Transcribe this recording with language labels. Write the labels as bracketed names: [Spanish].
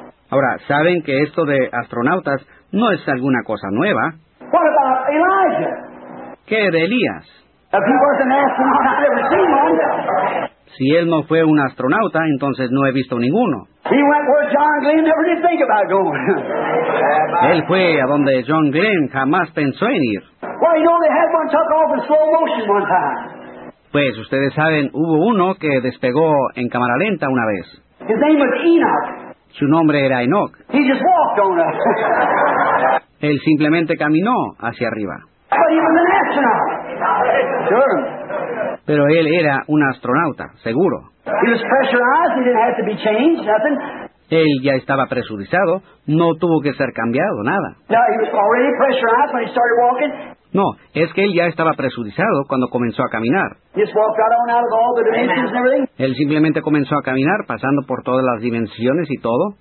[Spanish] Ahora, ¿saben que esto de astronautas no es alguna cosa nueva? [English] What about Elijah? [Spanish] ¿Qué de Elías? [English] If he was an astronaut, I've never seen one. [Spanish] Si él no fue un astronauta, entonces no he visto ninguno. [English] He went where John Glenn never did think about going. [Spanish] Él fue a donde John Glenn jamás pensó en ir. [English] Well, you know, they had one took off in slow motion one time. [Spanish] Pues ustedes saben, hubo uno que despegó en cámara lenta una vez. [English] His name was Enoch. [Spanish] Su nombre era Enoch. [English] He just walked on us. [Spanish] Él simplemente caminó hacia arriba. [English] But he was an astronaut. Sure. [Spanish] Pero él era un astronauta, seguro. [English] He was pressurized. He didn't have to be changed, nothing. [Spanish] Él ya estaba presurizado, no tuvo que ser cambiado, nada. [English] No, he was already pressurized when he started walking. [Spanish] No, es que él ya estaba presurizado cuando comenzó a caminar. [English] He just walked right on out of all the dimensions and everything. [Spanish] Él simplemente comenzó a caminar, pasando por todas las dimensiones y todo.